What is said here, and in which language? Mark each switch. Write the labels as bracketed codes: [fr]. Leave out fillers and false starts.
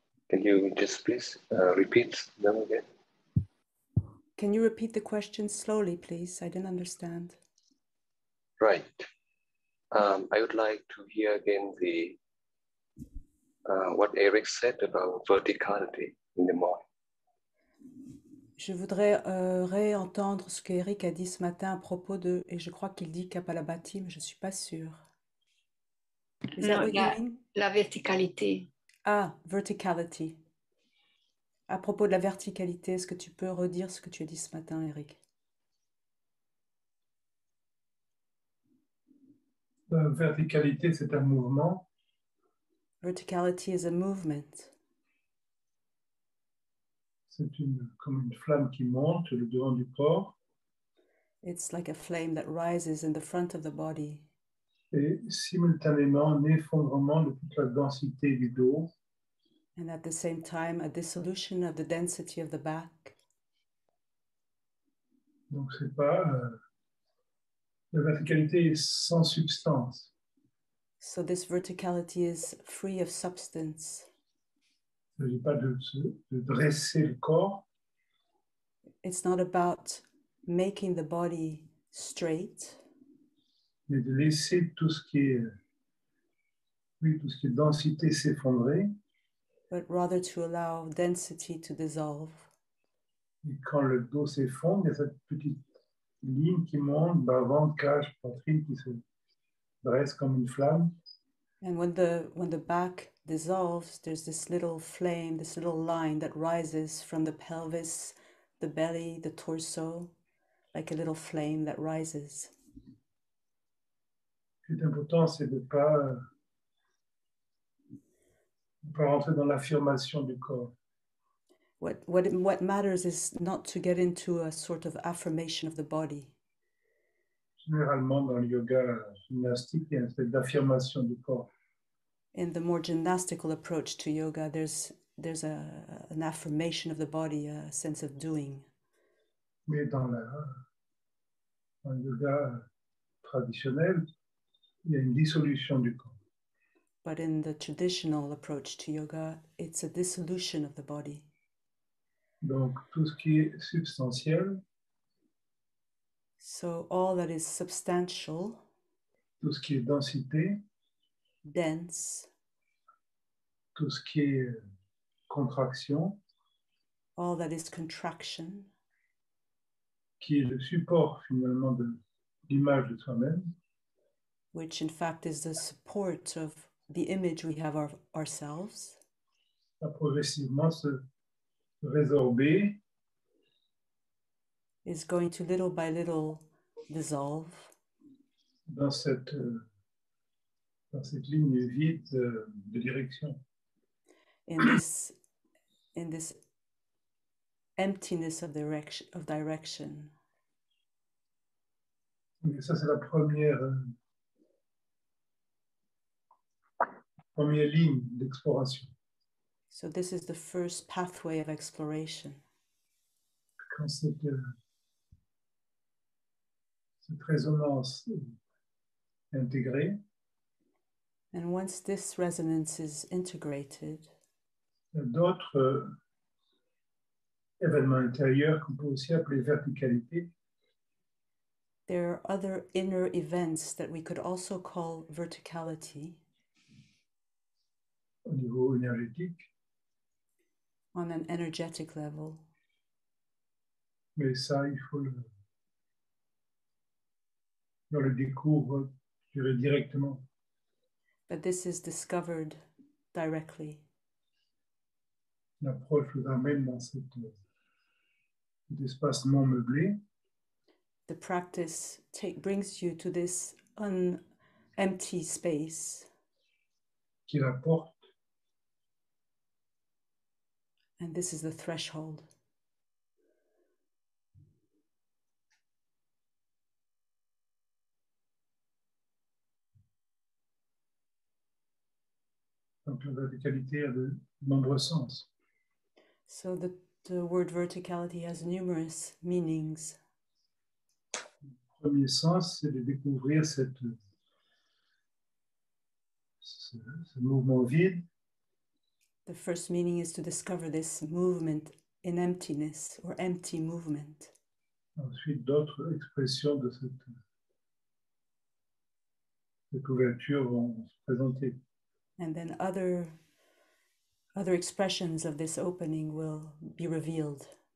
[en] Can you just please repeat them again? Can you repeat the question slowly, please? I didn't understand. Right. I would like to hear again the what Eric said about verticality in the morning. [fr] Je voudrais réentendre ce qu'Eric a dit ce matin à propos de, et je crois qu'il dit Kapalabhati, mais je ne suis pas sûre. Non, la verticalité. [en] Ah, verticality. [fr] À propos de la verticalité, est-ce que tu peux redire ce que tu as dit ce matin, Eric? La verticalité, c'est un mouvement. [en] Verticality is a movement. [fr] C'est une, comme une flamme qui monte le devant du corps. [en] It's like a flame that rises in the front of the body. [fr] Et simultanément, un effondrement de toute la densité du dos. [en] And at the same time, a dissolution of the density of the back. [fr] Donc, c'est pas... la verticalité est sans substance. [en] So this verticality is free of substance. [fr] Il ne s'agit pas de dresser le corps. [en] It's not about making the body straight. [fr] Mais de laisser tout ce qui est, oui, tout ce qui est densité s'effondrer. [en] But rather to allow density to dissolve. [fr] Et quand le dos s'effondre, il y a cette petite ligne qui monte, bas-ventre, cage, poitrine, qui se dresse comme une flamme. [en] And when the back dissolves, there's this little flame, this little line that rises from the pelvis, the belly, the torso, like a little flame that rises. [fr] Ce qui est important, c'est de pas rentrer dans l'affirmation du corps. [en] What matters is not to get into a sort of affirmation of the body. [fr] Généralement, dans le yoga gymnastique, il y a cette affirmation du corps. [en] In the more gymnastical approach to yoga, there's an affirmation of the body, a sense of doing. [fr] Mais dans le yoga traditionnel, il y a une dissolution du corps. [en] But in the traditional approach to yoga, it's a dissolution of the body. [fr] Donc tout ce qui est substantiel. [en] So all that is substantial. [fr] Tout ce qui est densité. [en] Dense. [fr] Tout ce qui est contraction. [en] All that is contraction. [fr] Qui est le support finalement de l'image de soi-même. [en] Which in fact is the support of the image we have of ourselves. [fr] Va progressivement se résorber. [en] Is going to little by little dissolve. [fr] Dans cette ligne vide de direction. [en] In this emptiness of direction. [fr] Et ça, c'est la première ligne d'exploration. [en] So this is the first pathway of exploration. [fr] Quand cette résonance est intégrée. [en] And once this resonance is integrated, [fr] d'autres événements intérieurs qu'on peut aussi appeler verticalité. [en] There are other inner events that we could also call verticality. [fr] Au niveau énergétique. [en] On an energetic level. [fr] Mais ça, il faut le découvre, je dirais, directement. [en] But this is discovered directly. [fr] L'approche vous amène dans cet espace non meublé. [en] The practice brings you to this empty space. [fr] Qui est la porte. [en] And this is the threshold. [fr] Donc la verticalité a de nombreux sens. [en] So the word verticality has numerous meanings. [fr] Premier sens, c'est de découvrir cette ce mouvement vide. [en] The first meaning is to discover this movement in emptiness or empty movement. [fr] Ensuite, d'autres expressions de cette ouverture vont se présenter. [en] And then other expressions of this opening will be revealed.